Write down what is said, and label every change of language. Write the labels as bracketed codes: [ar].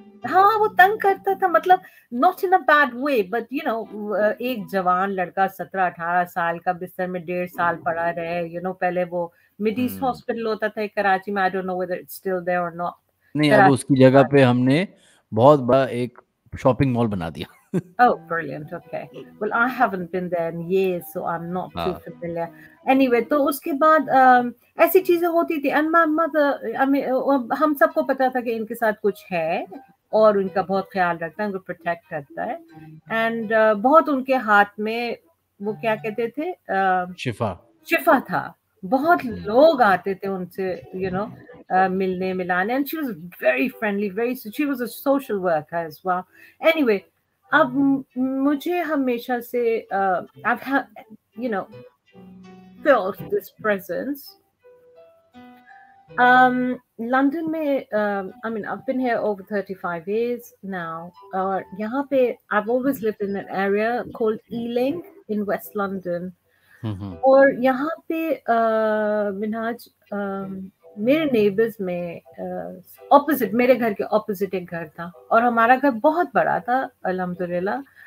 [hi] हाँ, वो तंग करता था, मतलब not in a bad way, but you know, एक जवान लड़का 17-18 साल का बिस्तर में डेढ़ साल पड़ा रहे, you know, पहले वो मिड ईस्ट हॉस्पिटल होता था कराची में, I don't know whether it's still there or not. नहीं, अब उसकी जगह पे हमने बहुत बड़ा एक शॉपिंग मॉल बना दिया। [en] Oh, brilliant. Okay. Well, I haven't been there in years, so I'm not too familiar. [hi] Anyway, तो उसके बाद ऐसी चीजें होती थी। And my mother, I mean, हम सबको पता था कि इनके साथ कुछ है और उनका बहुत ख्याल रखता है, उनको प्रोटेक्ट करता है। And बहुत उनके हाथ में वो क्या कहते थे? शिफा था। बहुत लोग आते थे उनसे, you know, मिलने मिलाने। [en] And she was very friendly, she was a social worker as well. [hi] Anyway, अब मुझे हमेशा से felt this presence. [en] London में I've been here over 35 years now. और यहाँ पे I've always lived in an area called Ealing in West London. [hi] और यहाँ पे मिनाज मेरे नेबर्स में ऑपोजिट मेरे घर के ऑपोजिट एक घर था, और हमारा घर बहुत बड़ा था अल्हम्दुलिल्लाह।